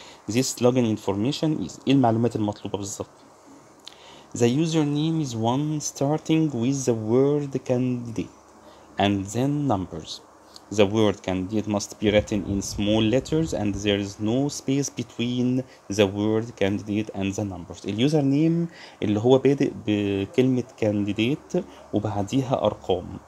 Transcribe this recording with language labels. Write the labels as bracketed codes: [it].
[en] This login information is [ar] ايه المعلومات المطلوبة بالظبط. [en] The username is one starting with the word candidate and then numbers. The word candidate must be written in small letters and there is no space between the word candidate and the numbers. The username [ar] اللي هو بادئ بكلمة candidate وبعديها أرقام.